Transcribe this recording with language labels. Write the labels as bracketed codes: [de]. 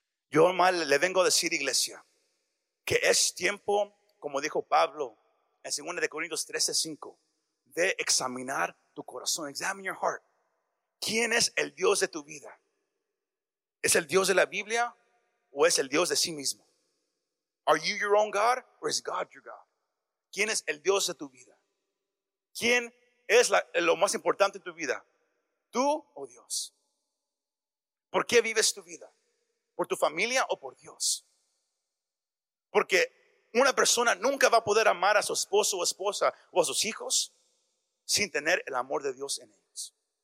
[es] Yo mal le vengo a decir, iglesia, que es tiempo, como dijo Pablo en 2 Corintios 13:5, de examinar tu corazón. [en] Examine your heart. [es] ¿Quién es el Dios de tu vida? ¿Es el Dios de la Biblia o es el Dios de sí mismo? [en] Are you your own God or is God your God? [es] ¿Quién es el Dios de tu vida? ¿Quién es lo más importante en tu vida? ¿Tú o Dios? ¿Por qué vives tu vida? ¿Por tu familia o por Dios? Porque una persona nunca va a poder amar a su esposo o esposa o a sus hijos sin tener el amor de Dios en ellos.